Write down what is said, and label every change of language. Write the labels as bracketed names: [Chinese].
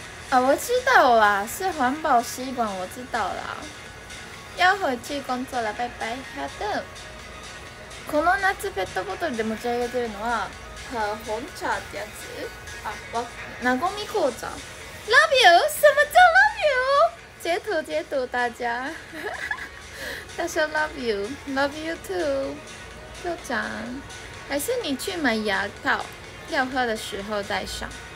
[Chinese] 哦，我知道啦，是环保吸管，我知道啦。要回去工作了，拜拜。好的。 [Japanese] この夏ペットボトルで持ち上げてるのは、和紅茶ってやつ？あ、わ、なごみ紅茶。 [English] Love you， [Chinese] 什么叫 love you？ 截图截图，大家，大家 love you， [English] love you too， [Chinese] 又长，还是你去买牙套，要喝的时候戴上。